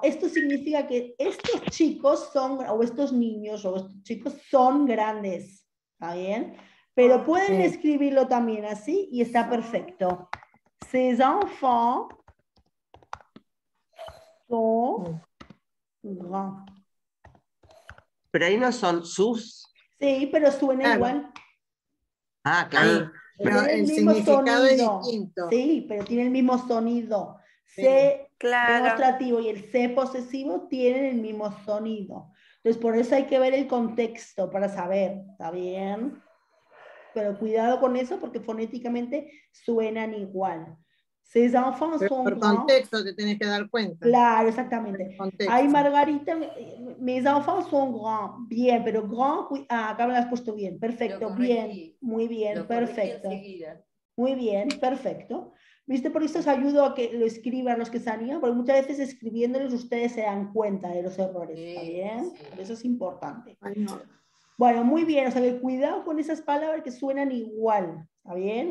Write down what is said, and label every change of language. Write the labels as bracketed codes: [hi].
[es] Esto significa que estos chicos son, o estos niños, o estos chicos son grandes. ¿Está bien? Pero pueden escribirlo también así y está perfecto. [fr] Ses enfants sont grands. [es] Pero ahí no son sus. Sí, pero suena igual. Ah, claro. Sí, pero el mismo significado sonido. Es distinto. Sí, pero tiene el mismo sonido. Sí, C claro. Demostrativo y el C posesivo tienen el mismo sonido. Entonces, por eso hay que ver el contexto para saber, ¿está bien? Pero cuidado con eso porque fonéticamente suenan igual. [fr] Ses enfants sont grands. [es] Por contexto te tienes que dar cuenta. Claro, exactamente. Ay, [fr] Margarita, mes enfants sont grands. [es] Bien, pero grand, acá me lo has puesto bien. Perfecto, bien. Muy bien, perfecto. Muy bien, perfecto. ¿Viste? Por eso os ayudo a que lo escriban los que se animan, porque muchas veces escribiéndoles ustedes se dan cuenta de los errores. ¿Está bien? Sí. Eso es importante. Bueno, muy bien. O sea, que cuidado con esas palabras que suenan igual. ¿Está bien?